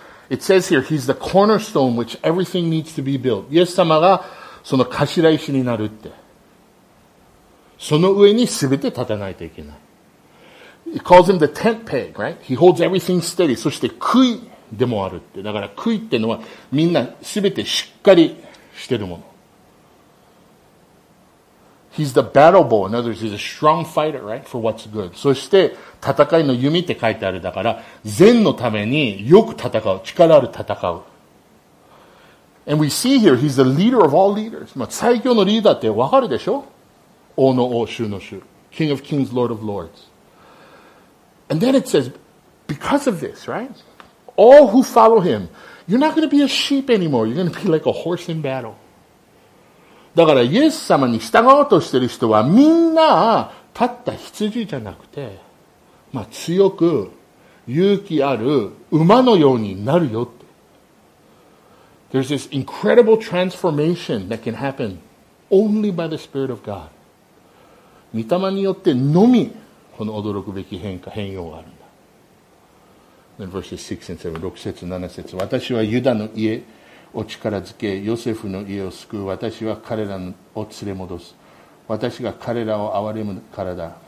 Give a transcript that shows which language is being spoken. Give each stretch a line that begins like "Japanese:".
English: It says here he's the cornerstone which everything needs to be built.
Japanese: イエス様がその頭石になるって、その上に全て立たないといけない。
English: He calls him the tent peg, right? He holds everything steady.
Japanese: そして杭でもあるって。だから杭ってのはみんな全てしっかりしてるもの。
English: He's the battle bow. In other words, he's a strong fighter, right? For what's good.
Japanese: そして戦いの弓って書いてある。だから善のためによく戦う。力ある戦う。
English: And we see here, he's the leader of all leaders.
Japanese: まあ最強のリーダーってわかるでしょ？王の王、主の主。
English: King of kings, Lord of lords. And then it says, because of this, right? All who follow him, you're not going to be a sheep anymore. You're going to be like a horse in battle.
Japanese: だからイエス様に従おうとしている人はみんなたった羊じゃなくて、まあ強く勇気ある馬のようになるよって。
English: There's this incredible transformation that can happen only by the Spirit of God.
Japanese: 御霊によってのみ、この驚くべき変化、変容があるんだ。
English: Then verses 6 and 7,
Japanese: 6節、7節。私はユダの家を力づけ、ヨセフの家を救う。私は彼らを連れ戻す。私が彼らを憐れむからだ。